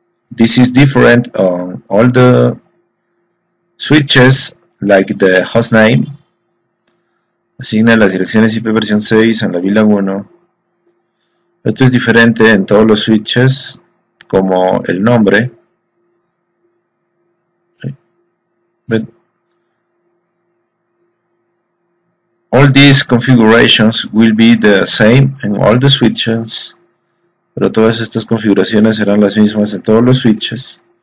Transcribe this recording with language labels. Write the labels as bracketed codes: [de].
[en] This is different on all the switches, like the hostname. [es] Asigna las direcciones IP versión 6 en la VLAN 1. Esto es diferente en todos los switches, como el nombre. [en] But all these configurations will be the same in all the switches. [es] Pero todas estas configuraciones serán las mismas en todos los switches.